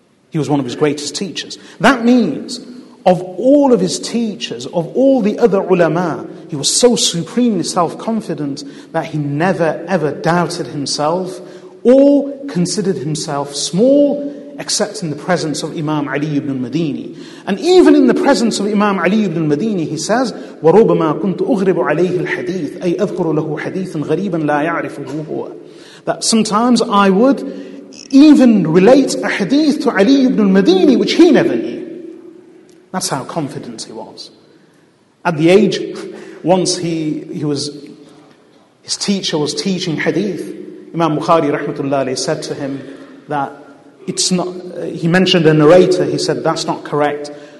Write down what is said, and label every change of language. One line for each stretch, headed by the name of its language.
English: He was one of his greatest teachers. That means, of all of his teachers, of all the other ulama, he was so supremely self-confident that he never ever doubted himself or considered himself small, except in the presence of Imam Ali ibn al-Madini. And even in the presence of Imam Ali ibn al-Madini, he says,
Arabic: وَرُوبَمَا كُنْتُ أُغْرِبُ عَلَيْهِ الْحَدِيثِ أَيْ أَذْكُرُ لَهُ حَدِيثًا غَرِيبًا لَا يَعْرِفُهُ هُوَ.
English: That sometimes I would even relate a hadith to Ali ibn al-Madini, which he never knew. That's how confident he was. At the age, once his teacher was teaching hadith, Imam Bukhari rahmatullah alayhi said to him that it's not, he mentioned a narrator, he said, that's not correct.